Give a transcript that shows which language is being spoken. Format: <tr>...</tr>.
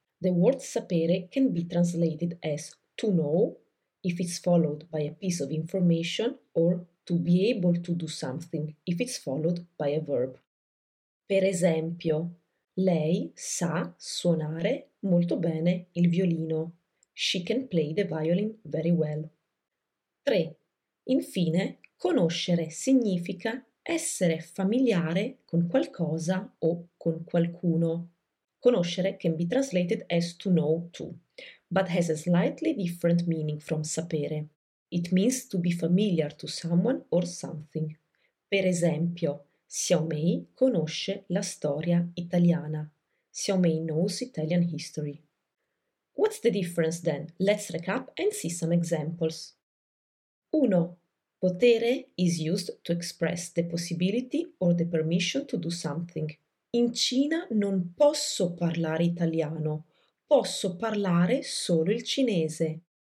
<en>The word sapere can be translated as to know, if it's followed by a piece of information, or to be able to do something, if it's followed by a verb.</en> <it>Per esempio, lei sa suonare molto bene il violino.</it> <en>She can play the violin very well. 3.</en> <it>Infine, conoscere significa essere familiare con qualcosa o con qualcuno.</it> <en>Conoscere can be translated as to know too, but has a slightly different meaning from sapere. It means to be familiar to someone or something.</en> <it>Per esempio, Xiaomei conosce la storia italiana.</it> <en>Xiaomei knows Italian history. What's the difference then? Let's recap and see some examples. 1. Potere is used to express the possibility or the permission to do something.</en> <it>In Cina non posso parlare italiano, posso parlare solo il cinese.</it>